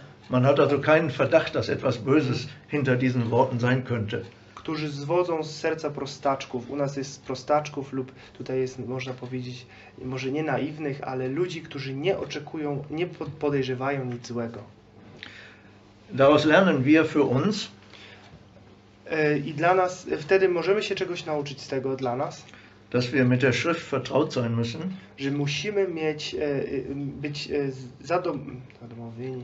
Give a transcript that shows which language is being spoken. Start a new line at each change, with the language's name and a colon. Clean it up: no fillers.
German: Man hat also keinen Verdacht, dass etwas Böses hinter diesen Worten sein könnte.
Polish: Którzy zwodzą z serca prostaczków. U nas jest prostaczków lub tutaj jest, można powiedzieć, może nie naiwnych, ale ludzi, którzy nie oczekują, nie podejrzewają nic złego.
German: Daraus lernen wir für uns.
Polish: I dla nas, wtedy możemy się czegoś nauczyć z tego dla nas.
German: Dass wir mit der Schrift vertraut sein müssen.
Polish: Że musimy mieć, być zadomowieni.